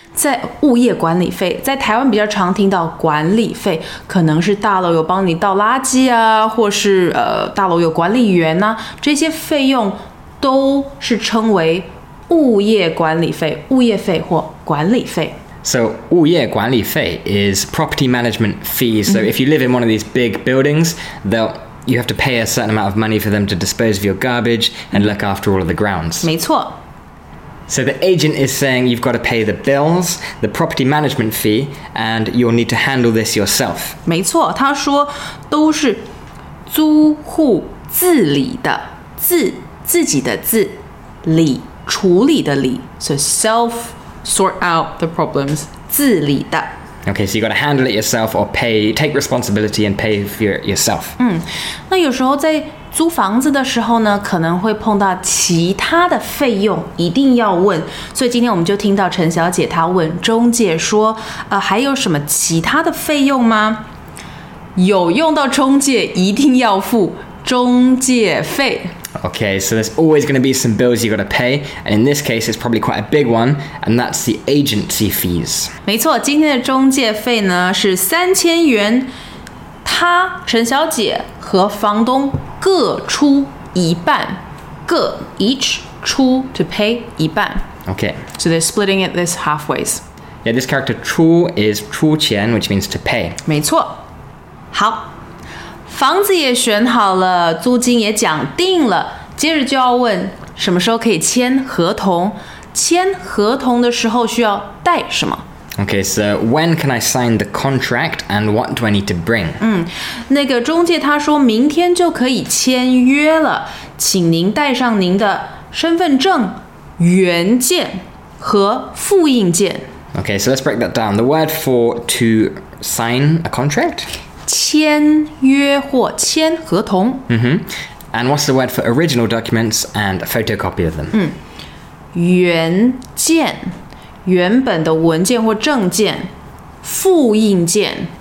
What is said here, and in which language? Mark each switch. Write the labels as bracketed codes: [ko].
[zh] 在物业管理费，在台湾比较常听到管理费，可能是大楼有帮你倒垃圾啊，或是大楼有管理员啊，这些费用都是称为物业管理费，物业费或管理费。 [en] So, 物业管理费 is property management fees. So, if you live in one of these big buildings, you have to pay a certain amount of money for them to dispose of your garbage and look after all of the grounds. [zh] 没错。 [en] So, the agent is saying you've got to pay the bills, the property management fee, and you'll need to handle this yourself. [zh] 没错，他说都是租户自理的，自己的理，处理的理。 [en] So, self... sort out the problems, 自理的。 Okay, so you got to handle it yourself or take responsibility and pay for yourself. [zh] 那有时候在租房子的时候呢，可能会碰到其他的费用，一定要问。所以今天我们就听到陈小姐她问中介说，还有什么其他的费用吗？有用到中介，一定要付中介费。 [en] Okay, so there's always going to be some bills you got to pay, and in this case, it's probably quite a big one, and that's the agency fees. [zh] 没错，今天的中介费呢是3000元，他陈小姐和房东各出一半，各 each 出 [en] to pay [zh] 一半。 [en] Okay. So they're splitting it this halfway. Yeah, this character 出 is 出钱, which means to pay. [zh] 没错，好。房子也选好了，租金也讲定了，接着就要问什么时候可以签合同，签合同的时候需要带什么。 [en] Okay, so when can I sign the contract and what do I need to bring? [zh] 那个中介他说明天就可以签约了，请您带上您的身份证原件和复印件。 [en] Okay, so let's break that down. The word for to sign a contract? [zh] 签约或签合同。 [en] And what's the word for original documents and a photocopy of them? [zh] 原件，原本的文件或证件，复印件。